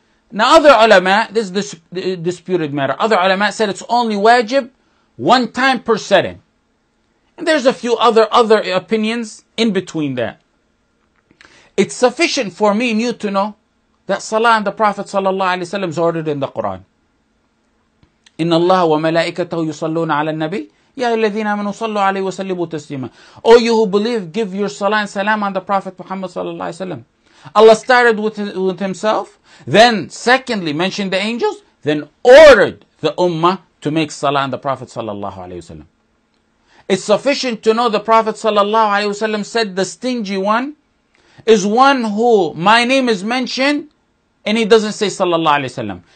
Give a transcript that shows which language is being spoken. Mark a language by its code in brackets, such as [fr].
[en] Now other ulama, this is the disputed matter, other ulama said it's only wajib one time per setting. And there's a few other opinions in between that. It's sufficient for me and you to know that salah and the Prophet sallallahu alayhi wasallam is ordered in the Quran. [ar] إن الله وملائكته يصلون على النبي يا الذين آمنوا صلوا عليه وسلموا تسليما. [en] O you who believe, give your salah and salam on the Prophet Muhammad sallallahu alayhi wasallam. Allah started with himself, then secondly mentioned the angels, then ordered the ummah to make salah on the Prophet sallallahu alayhi wasallam. It's sufficient to know the Prophet sallallahu alayhi wasallam said the stingy one is one who my name is mentioned and he doesn't say sallallahu alayhi wasallam.